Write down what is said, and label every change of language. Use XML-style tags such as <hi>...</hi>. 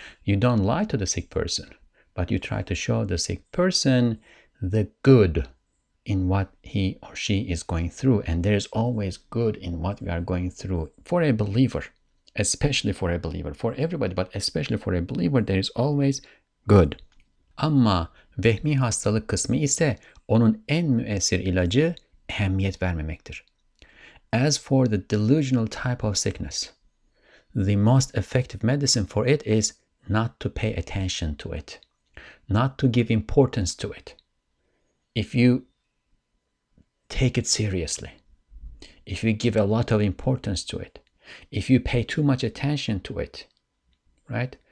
<en>You don't lie to the sick person, but you try to show the sick person the good in what he or she is going through. And there is always good in what we are going through. For a believer, especially for a believer, for everybody, but especially for a believer, there is always good.</en> <tr>Ama vehmi hastalık kısmı ise onun en müessir ilacı ehemmiyet vermemektir.</tr> <en>As for the delusional type of sickness, the most effective medicine for it is not to pay attention to it, not to give importance to it. If you take it seriously, if you give a lot of importance to it, if you pay too much attention to it, right?</en>